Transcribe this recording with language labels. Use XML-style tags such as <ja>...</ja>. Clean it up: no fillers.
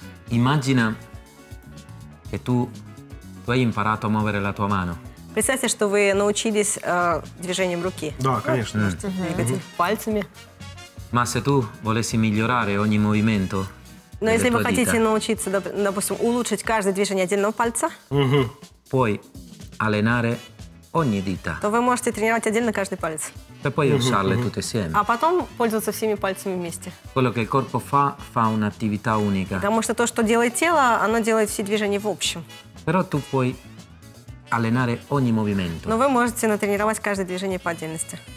<it>Immagina che tu hai imparato a muovere la tua mano.</it> <ru>Представьте, что вы научились движением руки. Да, конечно. Пальцами.</ru> <it>Ma se tu volessi migliorare ogni movimento.</it> <ru>Но если вы хотите научиться, допустим, улучшить каждое движение отдельного пальца,</ru> <it>puoi allenare ogni dita.</it> <ru>То вы можете тренировать отдельно каждый палец.</ru> <it>E poi usarle tutte insieme.</it> <ru>А потом пользоваться всеми пальцами вместе.</ru> <it>Quello che il corpo fa, fa un'attività unica.</it> <ru>Потому что то, что делает тело, оно делает все движения в общем.</ru> <it>Però tu puoi allenare ogni movimento.</it> <ru>Но вы можете натренировать каждое движение по отдельности.</ru>